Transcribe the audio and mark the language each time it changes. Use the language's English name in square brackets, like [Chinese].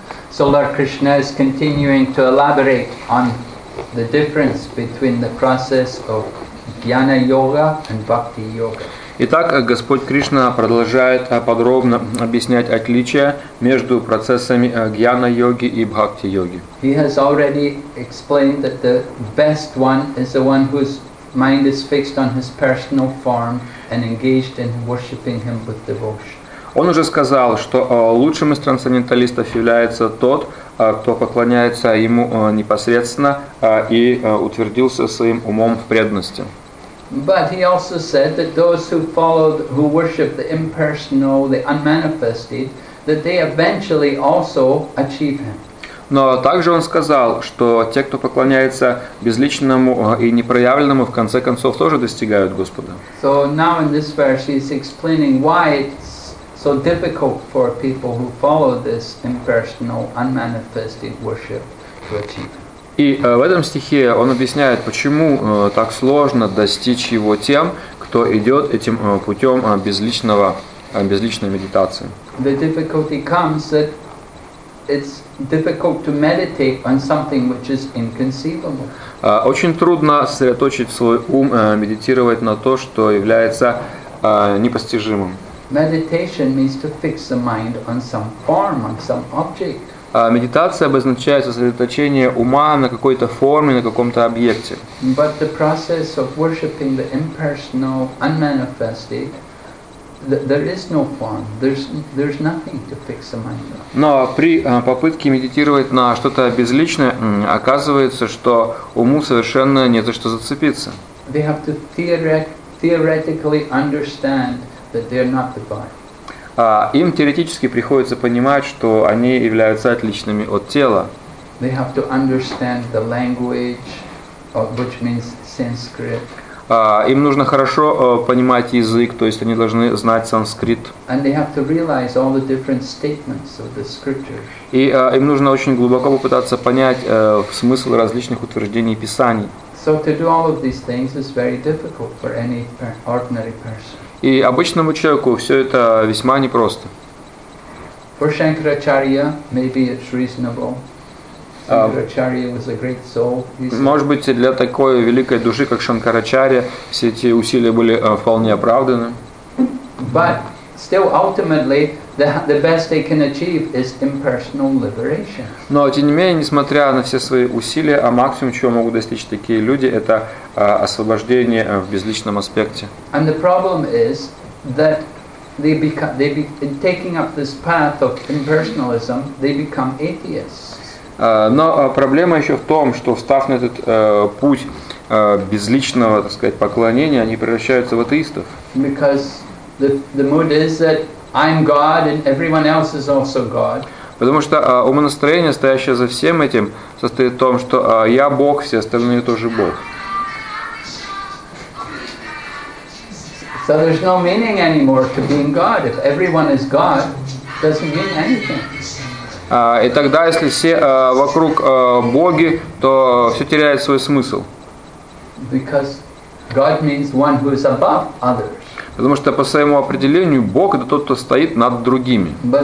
[English] So Lord Krishna is continuing to elaborate on the difference between the process of Jnana Yoga and Bhakti Yoga. [Russian] Итак, Господь Кришна продолжает подробно объяснять отличия между процессами гьяна-йоги и бхакти-йоги. [English] He has already explained that the best one is the one whose mind is fixed on his personal form and engaged in worshipping him with devotion. [Russian] Он уже сказал, что лучшим из трансценденталистов является тот, кто поклоняется ему непосредственно и утвердился своим умом в преданности. [English] But he also said that those who followed, who worship the impersonal, the unmanifested, that they eventually also achieve him. [Russian] Но также он сказал, что те, кто поклоняется безличному и непроявленному, в конце концов тоже достигают Господа. [English] So now in this verse he's explaining why it's so difficult for people who follow this impersonal, unmanifested worship to achieve him. [Russian] И в этом стихе он объясняет, почему так сложно достичь его тем, кто идет этим путем безличного, безличной медитации. [English] The difficulty comes that it's difficult to meditate on something which is inconceivable. [Russian] Очень трудно сосредоточить свой ум, медитировать на то, что является непостижимым. [English] Meditation means to fix the mind on some form, on some object. [Russian] Медитация обозначает сосредоточение ума на какой-то форме, на каком-то объекте. [English] But the process of worshipping the impersonal, unmanifested, there is no form, there's nothing to fix the mind. [Russian] Но при попытке медитировать на что-то безличное, оказывается, что уму совершенно не за что зацепиться. [English] They have to theoretically understand that they're not the body. [Russian] Им теоретически приходится понимать, что они являются отличными от тела. [English] They have to understand the language, which means Sanskrit. [Russian] Им нужно хорошо понимать язык, то есть они должны знать санскрит. [English] And they have to realize all the different statements of the scriptures. [Russian] И им нужно очень глубоко попытаться понять смысл различных утверждений Писаний. [English] So to do all of these things is very difficult for any ordinary person. [Russian] И обычному человеку все это весьма непросто. [English] For Shankaracharya, maybe it's reasonable. Shankaracharya was a great soul. [Russian] Может быть, для такой великой души, как Шанкарачарья, все эти усилия были вполне оправданы. [English] But still, ultimately, the best they can achieve is impersonal liberation. [Russian] Но тем не менее, несмотря на все свои усилия, а максимум, чего могут достичь такие люди, это освобождение в безличном аспекте. [English] And the problem is that in taking up this path of impersonalism, they become atheists. [Russian] Но проблема еще в том, что встав на этот путь безличного, так сказать, поклонения, они превращаются в атеистов. [English] Because the mood is that I'm God and everyone else is also God. [Russian] Потому что умонастроение, стоящее за всем этим, состоит в том, что я Бог, все остальные тоже Бог. [English] So there's no meaning anymore to being God. If everyone is God, it doesn't mean anything. [Russian] И тогда, если все вокруг боги, то все теряет свой смысл. [English] Because God means one who is above others. [Russian] Потому что по своему определению Бог это тот, кто стоит над другими.